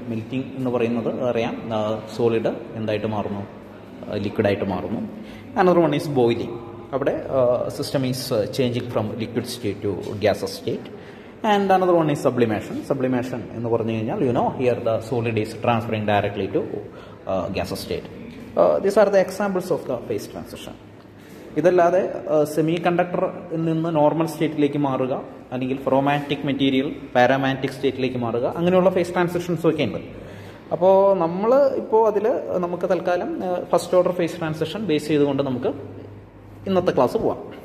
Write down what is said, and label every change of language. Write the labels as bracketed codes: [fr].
[ml] Melting എന്ന് പറയുന്നത് അറിയാം, സോളിഡ് എന്തായിട്ട് മാറുന്നു, ലിക്വിഡായിട്ട് മാറുന്നു. [en] Another one is boiling. [ml] അവിടെ [en] System is changing from liquid state to gas state. And another one is sublimation. Sublimation [ml] എന്ന് പറഞ്ഞു കഴിഞ്ഞാൽ, [en] You know, here the solid is transferring directly to gas state. These are the examples of the phase transition. [ml] ഇതല്ലാതെ സെമികണ്ടക്ടറിൽ നിന്ന് normal സ്റ്റേറ്റിലേക്ക് മാറുക, അല്ലെങ്കിൽ ഫെറോമാറ്റിക് material പാരാമാറ്റിക് സ്റ്റേറ്റിലേക്ക് മാറുക, അങ്ങനെയുള്ള ഫേസ് ട്രാൻസിഷൻസ് ഒക്കെ ഉണ്ട്. അപ്പോൾ നമ്മൾ ഇപ്പോൾ അതിൽ നമുക്ക് തൽക്കാലം first order phase transition base ചെയ്തുകൊണ്ട് നമുക്ക് ഇന്നത്തെ ക്ലാസ് പോവാം.